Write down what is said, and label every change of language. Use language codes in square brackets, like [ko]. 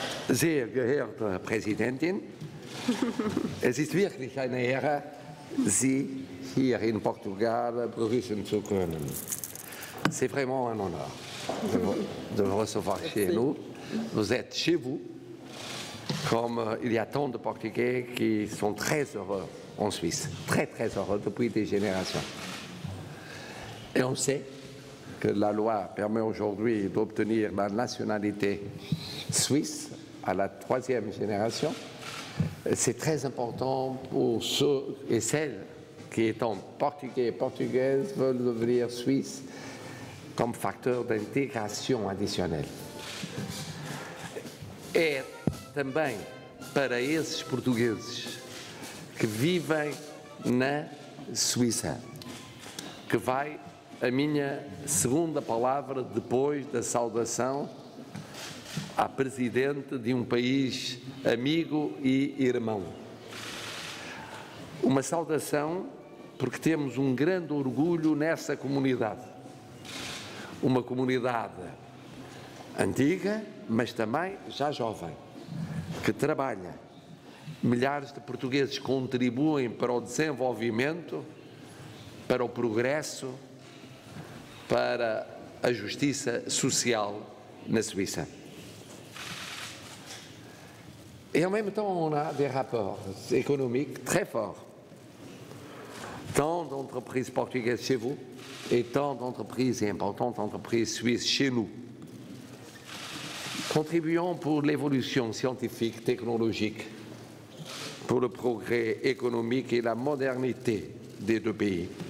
[de] Sehr geehrte Präsidentin, es ist wirklich eine Ehre, Sie hier in Portugal begrüßen zu können. [fr] C'est vraiment un honneur de vous recevoir chez nous. Vous êtes chez vous, comme il y a tant de Portugais qui sont très heureux en Suisse, très très heureux depuis des générations. Et on sait que la loi permet aujourd'hui d'obtenir la nationalité suisse à la troisième génération. C'est très important pour ceux et celles qui, étant portugais et portugaises, veulent devenir suisses comme facteur d'intégration additionnelle. [pt] É também para esses portugueses que vivem na Suíça que vai a minha segunda palavra depois da saudação à presidente de um país amigo e irmão. Uma saudação porque temos um grande orgulho nessa comunidade. Uma comunidade antiga, mas também já jovem, que trabalha. Milhares de portugueses contribuem para o desenvolvimento, para o progresso, para a justiça social na Suíça. [fr] Et en même temps, on a des rapports économiques très forts. Tant d'entreprises portugaises chez vous et tant d'entreprises et importantes entreprises suisses chez nous. Contribuons pour l'évolution scientifique, technologique, pour le progrès économique et la modernité des deux pays.